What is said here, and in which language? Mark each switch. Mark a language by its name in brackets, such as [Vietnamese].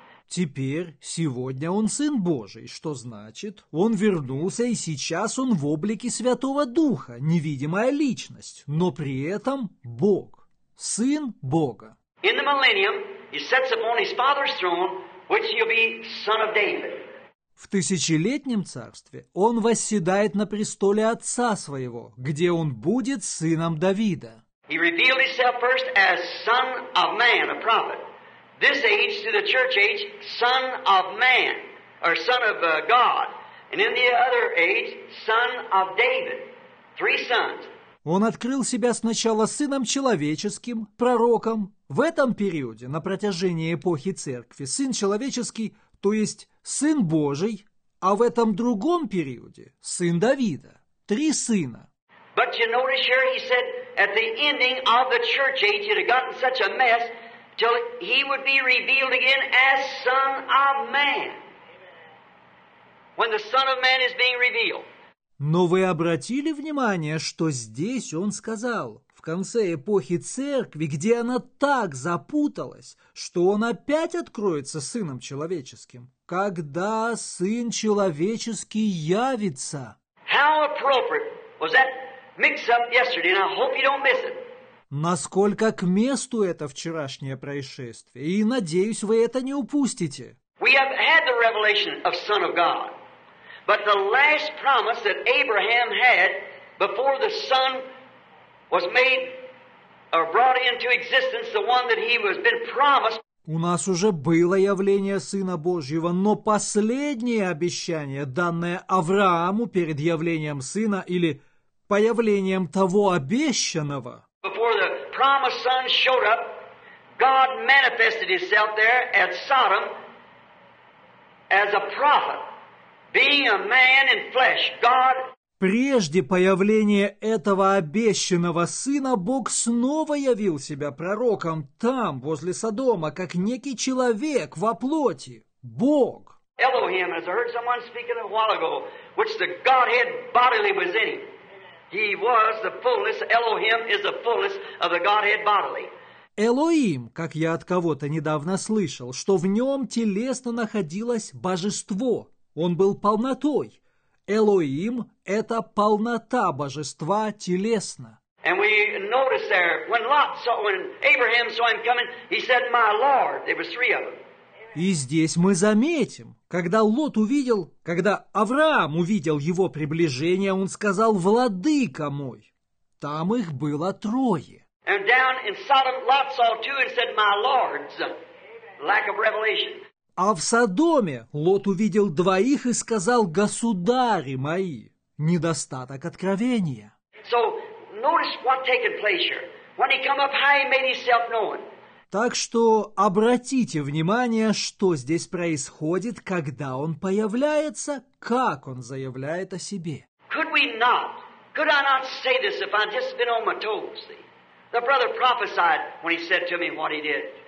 [Russian] Теперь, сегодня он Сын Божий, что значит, он вернулся, и сейчас он в облике Святого Духа, невидимая личность, но при этом Бог, Сын Бога. [English] In the millennium, he sits upon his father's throne, which he'll be son of David. [Russian] В тысячелетнем царстве он восседает на престоле отца своего, где он будет сыном Давида. [English] He revealed himself first as son of man, a prophet. This age to the church age, son of man, or son of God. And in the other age, son of David. Three sons. [Russian] Он открыл себя сначала сыном человеческим, пророком. В этом периоде, на протяжении эпохи церкви, сын человеческий, то есть сын Божий, а в этом другом периоде – сын Давида. Три сына. [English] But you notice here he said at the ending of the church age it had gotten such a mess till he would be revealed again as son of man. When the son of man is being revealed. [Russian] Но вы обратили внимание, что здесь он сказал, в конце эпохи церкви, где она так запуталась, что он опять откроется сыном человеческим, когда сын человеческий явится. [English] How appropriate was that mix up yesterday, and I hope you don't miss it. [Russian] Насколько к месту это вчерашнее происшествие, и надеюсь, вы это не упустите. [English] We have had the revelation of Son of God. But the last promise that Abraham had before the son was made or brought into existence, the one that he was been promised. [Russian] У нас уже было явление Сына Божьего, но последнее обещание, данное Аврааму перед явлением Сына или появлением того обещанного. [English] Before the promised son showed up, God manifested himself there at Sodom as a prophet. Being a man in flesh, God. [Russian] Прежде появления этого обещанного сына, Бог снова явил себя пророком там, возле Содома, как некий человек во плоти. Бог. [English] Elohim, as I heard someone speaking a while ago, which the Godhead bodily was in him. He was the fullness. Elohim is the fullness of the Godhead bodily. [Russian] Элоим, как я от кого-то недавно слышал, что в нем телесно находилось божество. Он был полнотой. Элоим – это полнота божества телесно. [English] And we notice there, when Lot saw, when Abraham saw him coming, he said, my Lord, there were three of them. [Russian] И здесь мы заметим, когда Лот увидел, когда Авраам увидел его приближение, он сказал, владыка мой, там их было трое. [English] And down in Sodom, Lot saw too and said, "My lords." Lack of revelation. [Russian] А в Содоме Лот увидел двоих и сказал: «Государи мои». Недостаток откровения. [English] So, notice what taken place here. When he come up high, he made himself known. [Russian] Так что обратите внимание, что здесь происходит, когда он появляется, как он заявляет о себе. [English] Could we not? Could I not say this if I'd just been on my toes? The brother prophesied when he said to me what he did.